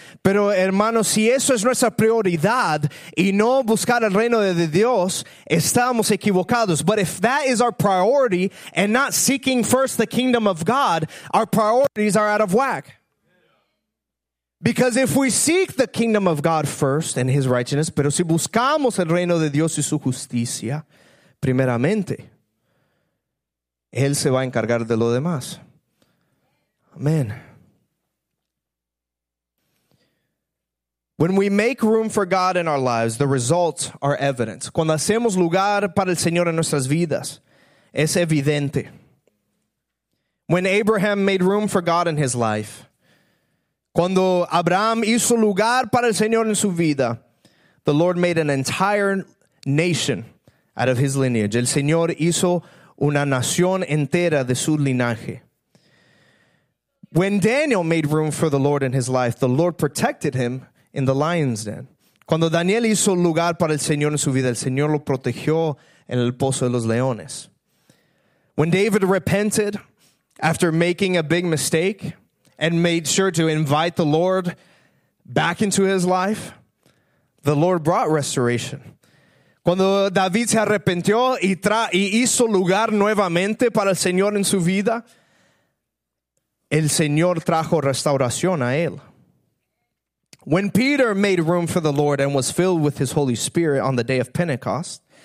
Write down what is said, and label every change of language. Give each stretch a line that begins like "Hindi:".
Spanish: Pero hermanos, si eso es nuestra prioridad y no buscar el reino de Dios, estamos equivocados.
English: But if that is our priority and not seeking first the kingdom of God, our priorities are out of whack. Because if we seek the kingdom of God first and His righteousness,
Spanish: pero si buscamos el reino de Dios y su justicia primeramente, Él se va a encargar de lo demás. Amen.
English: When we make room for God in our lives, the results are evident.
Spanish: Cuando hacemos lugar para el Señor en nuestras vidas, es evidente.
English: When Abraham made room for God in his life,
Spanish: cuando Abraham hizo lugar para el Señor en su vida,
English: the Lord made an entire nation out of his lineage.
Spanish: El Señor hizo una nación entera de su linaje.
English: When Daniel made room for the Lord in his life, the Lord protected him in the lion's den.
Spanish: Cuando Daniel hizo lugar para el Señor en su vida, el Señor lo protegió en el pozo de los leones.
English: When David repented after making a big mistake and made sure to invite the Lord back into his life, the Lord brought restoration.
Spanish: Cuando David se arrepintió y hizo lugar nuevamente para el Señor en su vida, el Señor trajo restauración a él.
English: When Peter made room for the Lord and was filled with his Holy Spirit on the day of Pentecost,